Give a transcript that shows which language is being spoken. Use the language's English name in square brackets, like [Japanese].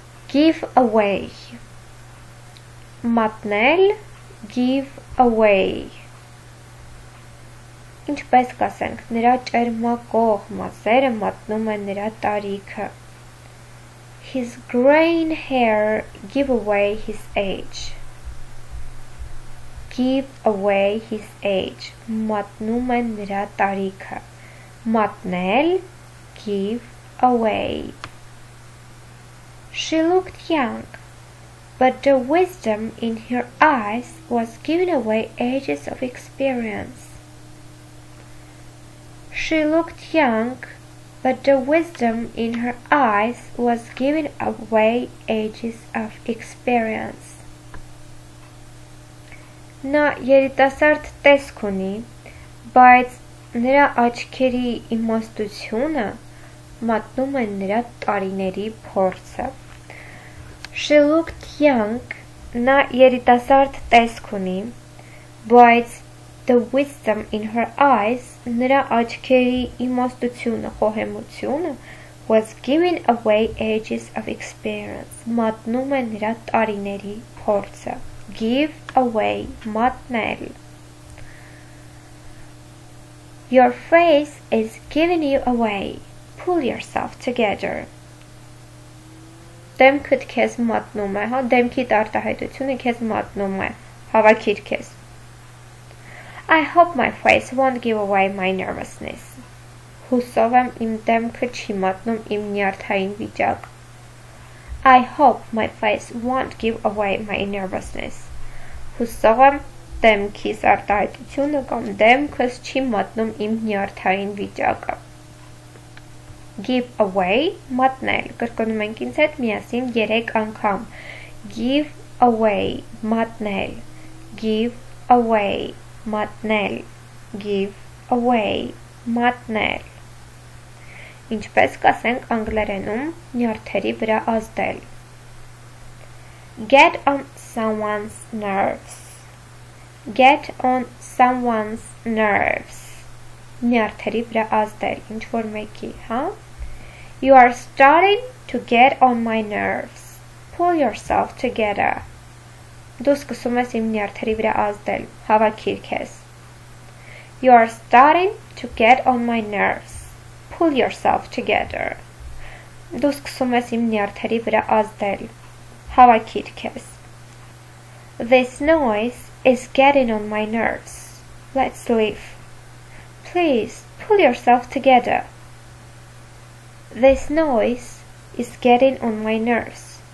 [English] Give away, մատնել, give away, [Armenian] ինչպես կասենք, նրա ճերմակող մասերը մատնում են նրա տարիքը, [English] his grain hair give away his age, give away his age, [Armenian] մատնում են նրա տարիքը, [English] մատնել, give away. She looked young, but the wisdom in her eyes was giving away ages of experience. She looked young, but the wisdom in her eyes was giving away ages of experience. [Armenian] Նա երիտասարդ տեսք ունի, բայց նրա աչքերի իմաստությունը մատնում է նրա տարիների փորձը. [English] She looked young, [Armenian] նա երիտասարդ տեսք ունի, [English] but the wisdom in her eyes, [Armenian] նրա աչքերի իմաստությունը, խոհեմությունը, [English] was giving away ages of experience, [Armenian] մատնում է նրա տարիների փորձը, [English] give away, մատնել. Your face is giving you away, pull yourself together. [Armenian] Դեմքդ քեզ մատնում է, հա, դեմքիդ արտահայտությունը քեզ մատնում է, հավաքիր քեզ. [English] I hope my face won't give away my nervousness. [Armenian] Հուսով եմ իմ դեմքը չի մատնում իմ նյարդային վիճակ. [English] I hope my face won't give away my nervousness. [Armenian] Հուսով եմ դեմքիս արտահայտությունը կամ դեմքս չի մատնում իմ նյարդային վիճակը. Give away, մատնել, կրկնում ենք ինձ հետ միասին 3 անգամ. Give away, մատնել, give away, մատնել, give away, մատնել. Ինչպես կասենք անգլերենում նյարդերի վրա ազդել. [English] Get on someone's nerves. Get on someone's nerves. [Armenian] Նյարդերի վրա ազդել, ինչ-որ մեկի, հա? [English] You are starting to get on my nerves. Pull yourself together. [Armenian] Դու սկսում ես իմ նյարդերի վրա ազդել, հավաքիր քեզ. [English] You are starting to get on my nerves. Pull yourself together. [Armenian] Դու սկսում ես իմ նյարդերի վրա ազդել, հավաքիր քեզ. [English] This noise is getting on my nerves. Let's leave. Please, pull yourself together. This noise is getting on my nerves.